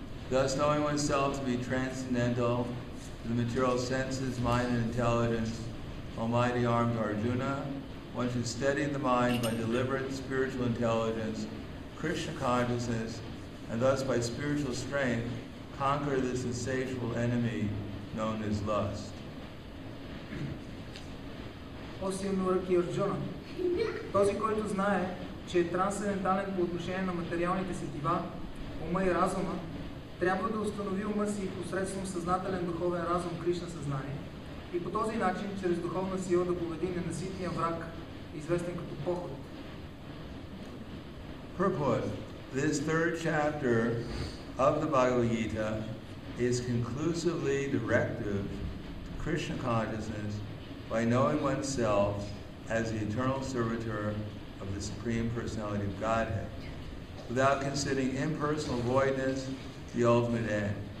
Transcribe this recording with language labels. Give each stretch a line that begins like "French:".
English: Thus knowing oneself to be transcendental to the material senses, mind, and intelligence, almighty armed Arjuna, one should steady the mind by deliberate spiritual intelligence, Krishna consciousness, and thus by spiritual strength conquer this insatiable enemy known as lust. О Сеньор Кирджона.
Bulgarian: Този, който знае, че е трансцендентален по отношение на материалните сетива, ума и разума, трябва да установи ума си посредством съзнателен духовен разум Кришна съзнание и по този начин, чрез духовна сила да победи ненаситния враг, известен като поход.
English: Purport. This third chapter of the Bhagavad Gita is conclusively directive to Krishna consciousness by knowing oneself as the eternal servitor of the Supreme Personality of Godhead, without considering impersonal voidness the ultimate end.